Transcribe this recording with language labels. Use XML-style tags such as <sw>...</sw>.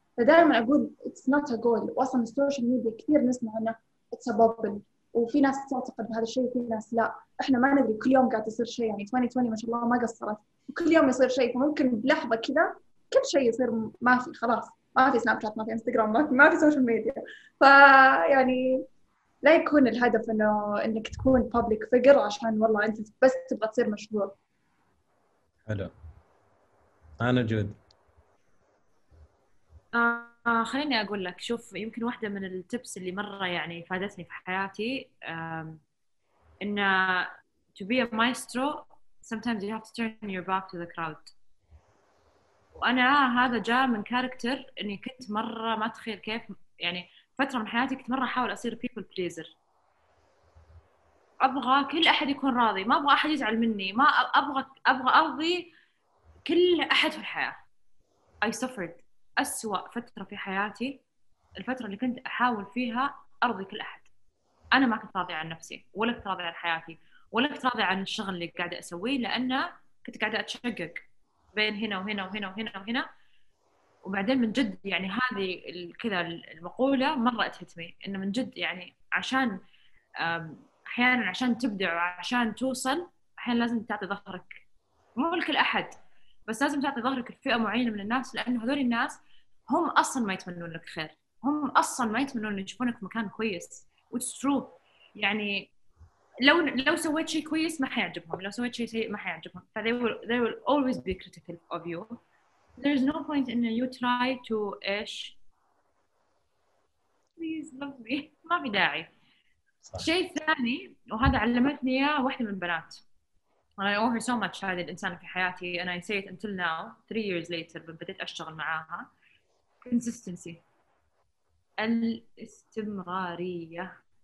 <ar>فدائما أقول</ar> <en>it's not a goal</en> <ar>وأصلا السوشيال ميديا كثير نسمع إنه</ar> <en>it's a bubble</en> <ar>وفي ناس تعتقد بهذا الشيء وفي ناس لا إحنا ما ندري كل يوم قاعد يصير شيء يعني 2020 ما شاء الله ما قصرت كل يوم يصير شيء فممكن بلحظة كذا كل شيء يصير ما في خلاص ما في سناب شات ما في إنستغرام ما في سوشيال ميديا فيعني لا يكون الهدف إنه إنك تكون public figure عشان والله أنت بس تبغى تصير مشهور. حلو أنا جود خليني أقول لك شوف يمكن واحدة من التيبس اللي مرة يعني فادتني في حياتي إنه</ar> <en>to be a maestro sometimes you have to turn your back to the crowd.</en> <ar>وأنا هذا جاء من كاركتر إني كنت مرة ما أتخيل كيف يعني فترة من حياتي كنت مرة أحاول أصير people pleaser. أبغى كل أحد يكون راضي، ما أبغى أحد يزعل مني، ما أبغى أرضي كل أحد في الحياة.</ar> <en>I suffered</en> <ar>أسوأ فترة في حياتي الفترة اللي كنت أحاول فيها أرضي كل أحد. أنا ما كنت راضي عن نفسي ولا كنت راضي عن حياتي ولا كنت راضي عن الشغل اللي قاعدة أسويه، لأن كنت قاعدة أتشقق بين هنا وهنا وهنا وهنا وهنا. وبعدين من جد يعني هذه كذا المقولة مرة أتهتمي إن من جد يعني عشان أحياناً عشان تبدع وعشان توصل أحياناً لازم تعطي ظهرك، مو لكل أحد بس لازم تعطي ظهرك لفئة معينة من الناس، لأن هذول الناس هم أصلاً ما يتمنون لك خير، هم أصلاً ما يتمنون يشوفونك مكان كويس.</ar> <en>It's true.</en> <ar>يعني لو سويت شيء كويس ما حيعجبهم، لو سويت شيء سيء ما حيعجبهم.</ar> <en>ف they will always be critical of you. There is no point in you try to ish. Please love me.</en> <ar>ما في داعي. شيء ثاني وهذا علمتني إياه واحدة من البنات.</ar> <en>And I owe her so much.</en> <ar>هذه الإنسانة في حياتي.</ar> <en>And I say it until now. 3 years later.</en> <ar>بديت أشتغل معاها. Consistency. الاستمرارية.</ar>